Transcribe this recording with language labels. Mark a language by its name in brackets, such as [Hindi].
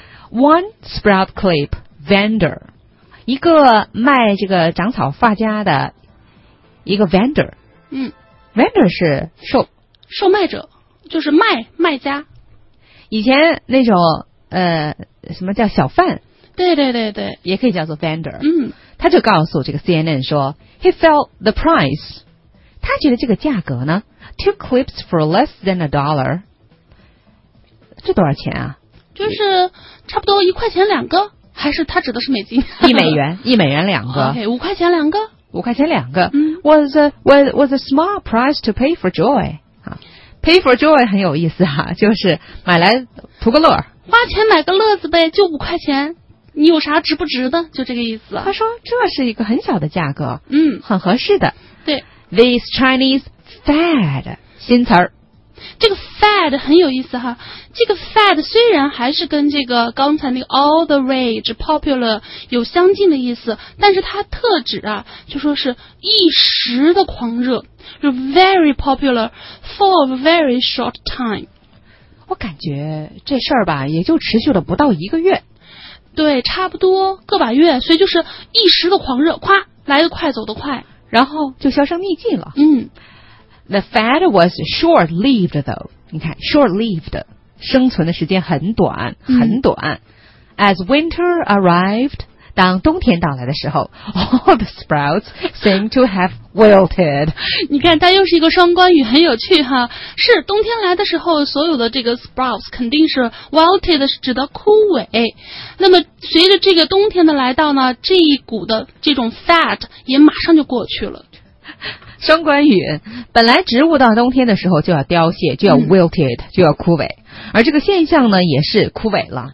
[Chinese] One sprout clip vendor，一个卖这个长草发夹的一个 vendor。嗯， Vendor 是售卖者，就是卖家。以前那种什么叫小贩？对对对对，也可以叫做 vendor。嗯，他就告诉这个 CNN 说 ， He felt the price，他觉得这个价格呢 ， two clips for less than a dollar，这多少钱啊？就是差不多一块钱两个，还是他指的是美金？一美元两个。 OK， 五块钱两个。五块钱两个。嗯， [English] was a small price to pay for joy 啊， pay for joy 很有意思啊，就是买来图个乐， [Chinese] 花钱买个乐子呗，就五块钱，你有啥值不值的，就这个意思。他说这是一个很小的价格。嗯，很合适的。对， [English] this Chinese fad 新词儿， [Chinese] 这个 fed 很有意思哈，这个 fed 虽然还是跟这个刚才那个 all the rage popular 有相近的意思，但是它特指啊，就说是一时的狂热，就 very popular for a very short time。我感觉这事儿吧，也就持续了不到一个月。对，差不多个把月，所以就是一时的狂热，夸来得快，走得快，然后就销声匿迹了。嗯。 [English] The Fed was short-lived, though. 你看 short-lived, 生存的时间很短，很短。 As winter arrived, 当冬天到来的时候 all the sprouts seem to have wilted. [Chinese] 你看它又是一个双关语，很有趣哈。是冬天来的时候，所有的这个 sprouts 肯定是 wilted, 是指的枯萎。那么随着这个冬天的来到呢，这一股的这种 fat 也马上就过去了。双关语，本来植物到冬天的时候就要凋谢，就要 wilted,、就要枯萎，而这个现象呢也是枯萎了，